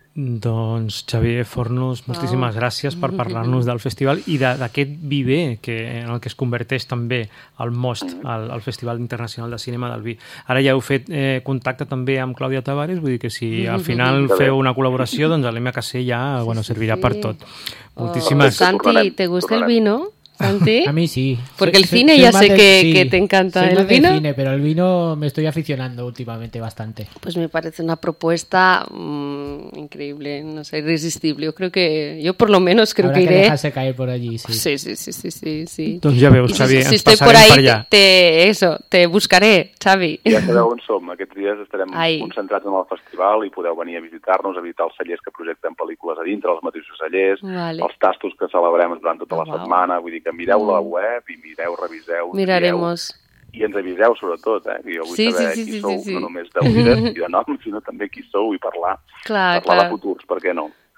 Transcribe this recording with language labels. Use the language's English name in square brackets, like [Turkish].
[Catalan] Doncs Xavier Fornos, moltíssimes gràcies per parlar-nos del festival i d'aquest viver en el que es converteix també el Most, el Festival Internacional de Cinema del Vi. Ara ja heu fet contacte també amb Clàudia Tavares, vull dir que si al final feu una col·laboració, doncs l'MKC ja servirà per tot. Moltíssimes. [Spanish] Santi, ¿te gusta el vino? A mí sí. Porque el cine que te encanta. Soy el vino. Soy más de cine, pero el vino me estoy aficionando últimamente bastante. Pues me parece una propuesta increíble, no sé, irresistible. Yo por lo menos creo que iré. Habrá que dejarse caer por allí, sí. Sí. Entonces ya veo, Xavi, si estoy por ahí, te buscaré, Xavi. [Catalan] Ja sabeu on som. Aquests dies estarem concentrats en el festival i podeu venir a visitar-nos, a visitar els cellers que projecten pel·lícules a dintre, els mateixos cellers, els tastos que celebrem durant tota la setmana, vull dir que mireu la web i mireu, reviseu. Mirarem-nos. I ens aviseu, sobretot, eh? Jo vull saber qui sou, no només d'un i de nom, sinó també qui sou i parlar de futurs, per què no?